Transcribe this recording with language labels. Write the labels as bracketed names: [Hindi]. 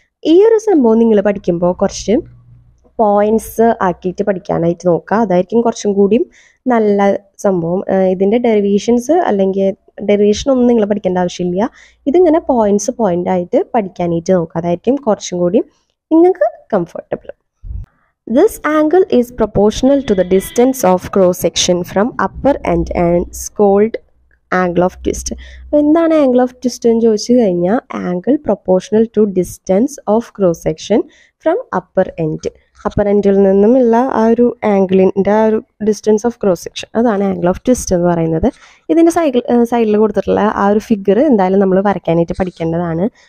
[Malayalam] ഈ ഒരു സംഭവം നിങ്ങൾ പഠിക്കുമ്പോൾ കുറച്ച് പോയിൻറ്റ്സ് ആക്കിയിട്ട് പഠിക്കാനായിട്ട് നോക്കുക, അതായിരിക്കും കുറച്ചും കൂടിയും നല്ല സംഭവം. ഇതിൻ്റെ ഡെറിവേഷൻസ് അല്ലെങ്കിൽ ഡെറിവേഷനൊന്നും നിങ്ങൾ പഠിക്കേണ്ട ആവശ്യമില്ല, ഇതിങ്ങനെ പോയിൻറ്റ്സ് പോയിൻ്റ് ആയിട്ട് പഠിക്കാനായിട്ട് നോക്കുക, അതായിരിക്കും കുറച്ചും കൂടിയും നിങ്ങൾക്ക് comfortable. [English] This angle is proportional to the distance of cross section from upper end and is called angle of twist. [Malayalam] അപ്പോൾ എന്താണ് [English] angle of twist [Malayalam] എന്ന് ചോദിച്ചു കഴിഞ്ഞാൽ, [English] Angle proportional to distance of cross section from upper end. [Malayalam] Upper എൻഡിൽ നിന്നുമുള്ള ആ ഒരു ആംഗിളിൻ്റെ ആ ഒരു ഡിസ്റ്റൻസ് ഓഫ് ക്രോസ് സെക്ഷൻ, അതാണ് ആംഗിൾ ഓഫ് ട്വിസ്റ്റ് എന്ന് പറയുന്നത്. ഇതിൻ്റെ സൈഡിൽ കൊടുത്തിട്ടുള്ള ആ ഒരു ഫിഗർ എന്തായാലും നമ്മൾ വരയ്ക്കാനായിട്ട് പഠിക്കേണ്ടതാണ്.